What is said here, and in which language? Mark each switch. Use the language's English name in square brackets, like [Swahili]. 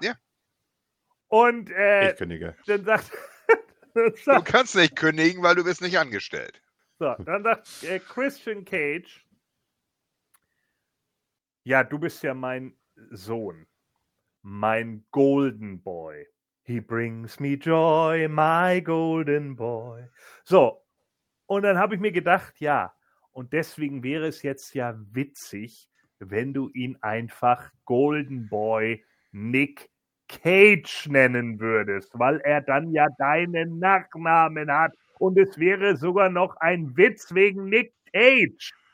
[German] Ja. Und ich kündige. Dann sagt, du kannst nicht kündigen, weil du bist nicht angestellt. So, dann sagt Christian Cage, ja, du bist ja mein Sohn. Mein Golden Boy. [English] He brings me joy, my Golden Boy. [German] So, und dann habe ich mir gedacht, ja, und deswegen wäre es jetzt ja witzig, wenn du ihn einfach Golden Boy Nick Cage nennen würdest, weil er dann ja deinen Nachnamen hat. Und es wäre sogar noch ein Witz wegen Nick Cage.